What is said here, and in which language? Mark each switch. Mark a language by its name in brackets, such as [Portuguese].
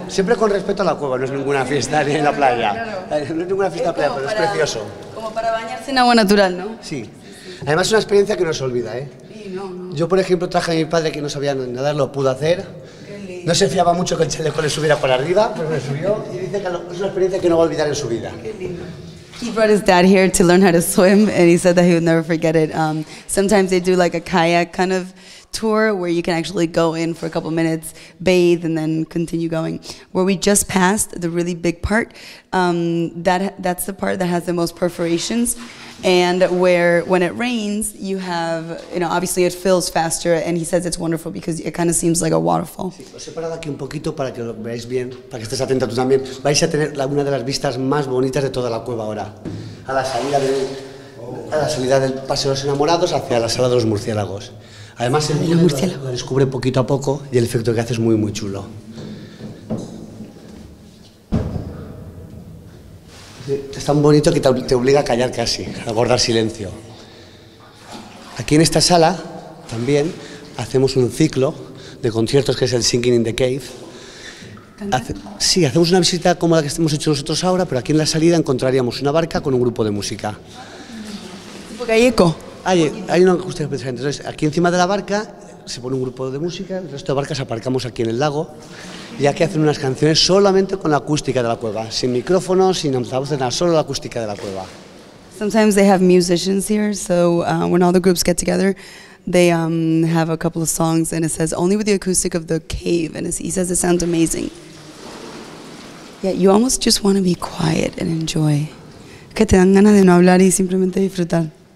[Spanish] Siempre con respeto a la cueva, no es ninguna fiesta ni en la playa. No es ninguna fiesta en la playa, pero es precioso. Como para bañarse en agua natural, ¿no? Sí. Además, es una experiencia que no se olvida, ¿eh? No. Yo, por ejemplo, traje a mi padre que no sabía nadar, lo pudo hacer. No se fiaba mucho que el chaleco le subiera por arriba, pero me subió y dice que es una experiencia que no va a olvidar en su vida. Qué lindo. [English] He brought his dad here to learn how to swim and he said that he would never forget it. Sometimes they do like a kayak kind of tour where you can actually go in for a couple minutes, bathe and then continue going. Where we just passed the really big part, that's the part that has the most perforations. And where when it rains, you have, you know, obviously it fills faster, and he says it's wonderful because it kind of seems like a waterfall. [Spanish] Sí, lo he separado aquí un poquito para que lo veáis bien, para que estés atenta tú también. Vais a tener una de las vistas más bonitas de toda la cueva ahora. A la salida del Paseo de los Enamorados hacia la Sala de los Murciélagos. Además, el niño murciélago lo descubre poquito a poco y el efecto que hace es muy, muy chulo. Es tan bonito que te obliga a callar casi, a guardar silencio. Aquí en esta sala también hacemos un ciclo de conciertos que es el Singing in the Cave. Sí, hacemos una visita como la que hemos hecho nosotros ahora, pero aquí en la salida encontraríamos una barca con un grupo de música. Porque hay eco. Hay una cuestión especial. Entonces, aquí encima de la barca se pone un grupo de música, el resto de barcas aparcamos aquí en el lago. Ya que hacen unas canciones solamente con la acústica de la cueva, sin micrófonos, sin altavoces, nada, solo la acústica de la cueva. [English] Sometimes they have musicians here, so when all the groups get together, they have a couple of songs, and it says only with the acoustic of the cave, and he says it sounds amazing. Yeah, you almost just want to be quiet and enjoy. [Spanish] Que te dan ganas de no hablar y simplemente disfrutar.